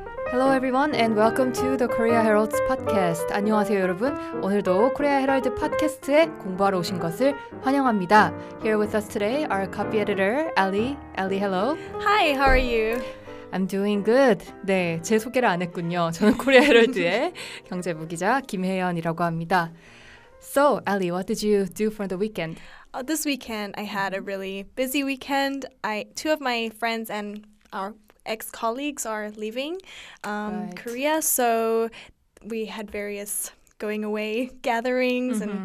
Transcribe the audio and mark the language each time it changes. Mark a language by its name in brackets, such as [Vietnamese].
[English] Hello everyone and welcome to the Korea Herald's podcast. [Korean] 안녕하세요 여러분. 오늘도 코리아 헤럴드 팟캐스트에 공부하러 오신 것을 환영합니다. [English] Here with us today our copy editor, Ellie. Ellie, hello. Hi, how are you? I'm doing good. [Korean] 네, 제 소개를 안 했군요. 저는 코리아 헤럴드의 경제부 기자 김혜연이라고 합니다. [English] So, Ellie, what did you do for the weekend? This weekend, I had a really busy weekend. Two of my friends and our ex-colleagues are leaving Korea, so we had various going away gatherings, mm-hmm.